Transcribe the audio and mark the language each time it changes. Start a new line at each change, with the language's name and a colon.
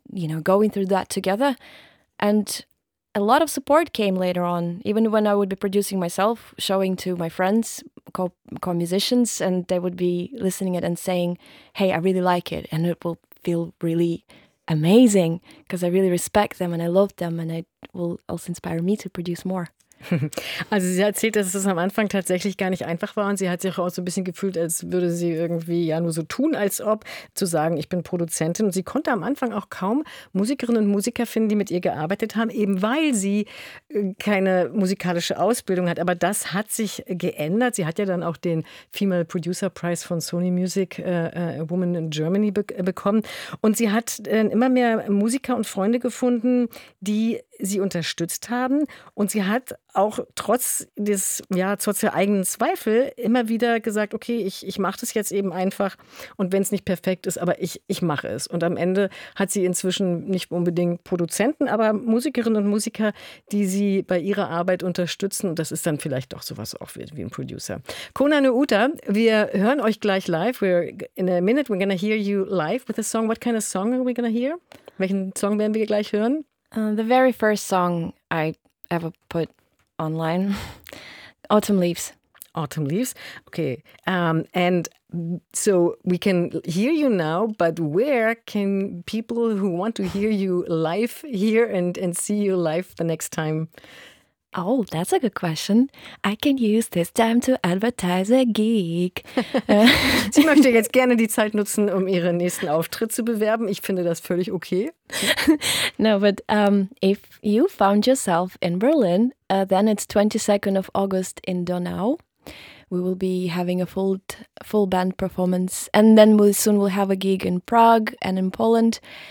English: you know, going through that together. And a lot of support came later on, even when I would be producing myself, showing to my friends, co-musicians, and they would be listening it and saying, hey, I really like it. And it will feel really amazing because I really respect them and I love them. And it will also inspire me to produce more.
German: Also sie erzählt, dass es am Anfang tatsächlich gar nicht einfach war und sie hat sich auch so ein bisschen gefühlt, als würde sie irgendwie ja nur so tun, als ob, zu sagen, ich bin Produzentin. Und sie konnte am Anfang auch kaum Musikerinnen und Musiker finden, die mit ihr gearbeitet haben, eben weil sie keine musikalische Ausbildung hat. Aber das hat sich geändert. Sie hat ja dann auch den Female Producer Prize von Sony Music Woman in Germany bekommen. Und sie hat immer mehr Musiker und Freunde gefunden, die sie unterstützt haben. Und sie hat auch trotz des, ja, trotz der eigenen Zweifel immer wieder gesagt, okay, ich mache das jetzt eben einfach und wenn es nicht perfekt ist, aber ich mache es. Und am Ende hat sie inzwischen nicht unbedingt Produzenten, aber Musikerinnen und Musiker, die sie bei ihrer Arbeit unterstützen. Und das ist dann vielleicht doch sowas auch wie ein Producer. Kona Nuuta, wir hören euch gleich live.
English: In a minute, we're gonna hear you live with a song. What kind of song are we gonna hear?
German: Welchen Song werden wir gleich hören?
English: The very first song I ever put online, Autumn Leaves. Autumn Leaves, okay. And so we can hear you now, but where can people who want to hear you live here and see you live the next time? Oh, that's a good question. I can use this time to advertise a gig.
German: Sie möchte jetzt gerne die Zeit nutzen, um ihren nächsten Auftritt zu bewerben. Ich finde das völlig okay.
English: No, but if you found yourself in Berlin, then it's 22nd of August in Donau. We will be having a full band performance. And then we soon will have a gig in Prague and in Poland.